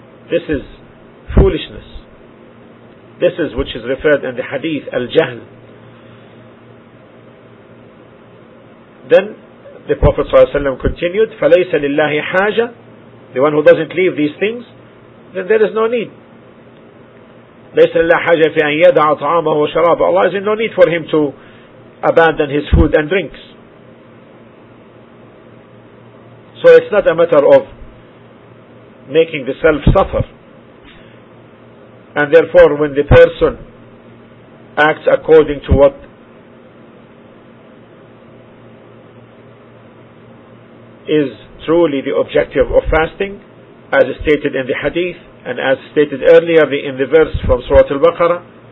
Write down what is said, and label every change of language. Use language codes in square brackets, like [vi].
[en] This is foolishness. This is which is referred in the hadith, al-jahl. Then the Prophet ﷺ continued, [ar] فَلَيْسَ لِلَّهِ حَاجَةٌ [en] The one who doesn't leave these things, then there is no need. [ar] ليس لله حاجة في أن يدع طعامه وشرابه. [en] Allah is in no need for him to abandon his food and drinks. So it's not a matter of making the self suffer. And therefore, when the person acts according to what is truly the objective of fasting, as stated in the hadith and as stated earlier in the verse from Surah Al-Baqarah,